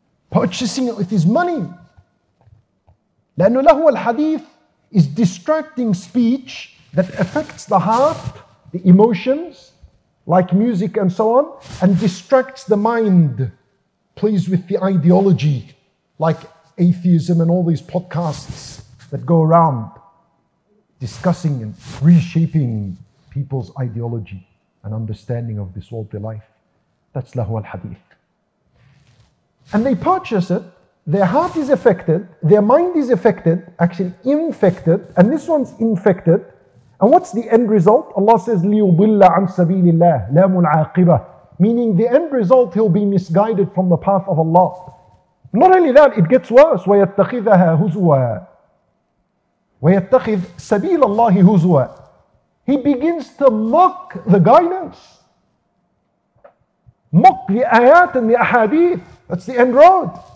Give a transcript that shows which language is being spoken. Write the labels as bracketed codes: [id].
[en] Purchasing it with his money. [ar] لأنه له الحديث [en] is distracting speech that affects the heart, the emotions, like music and so on, and distracts the mind, plays with the ideology, like atheism and all these podcasts that go around discussing and reshaping people's ideology and understanding of this worldly life. That's lahu al-hadith. And they purchase it, their heart is affected, their mind is affected, actually infected, and this one's infected. And what's the end result? Allah says, [ar] لِيُضِلَّ عَن سَبِيلِ اللَّهِ لَامُ الْعَاقِبَةِ. [en] Meaning the end result, he'll be misguided from the path of Allah. Not only that, it gets worse. [ar] وَيَتَّخِذَهَا هُزُوَى. وَيَتَّخِذْ سَبِيلَ اللَّهِ هُزُوَى. [en] He begins to mock the guidance. Mock the ayat and the ahadith. That's the end road.